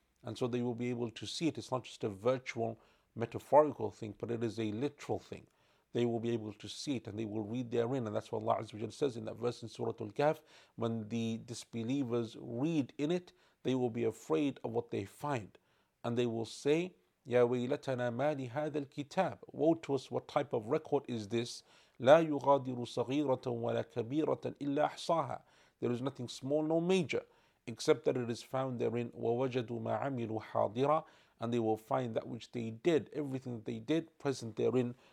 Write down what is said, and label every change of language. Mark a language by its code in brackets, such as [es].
[en] And so they will be able to see it. It's not just a virtual, metaphorical thing, but it is a literal thing. They will be able to see it and they will read therein. And that's what Allah Azza wa Jalla says in that verse in Surah Al-Kahf. When the disbelievers read in it, they will be afraid of what they find. And they will say, [ar] يَا وَيْلَتَنَا مَا لِهَذَا الْكِتَابِ. [en] Woe to us, what type of record is this? [ar] لَا يُغَادِرُ صَغِيرَةً وَلَا كَبِيرَةً إِلَّا أَحْصَاهَا. [en] There is nothing small nor major, except that it is found therein. [ar] وَوَجَدُوا مَا عَمِلُوا حَاضِرًا. [en] And they will find that which they did, everything that they did, present therein.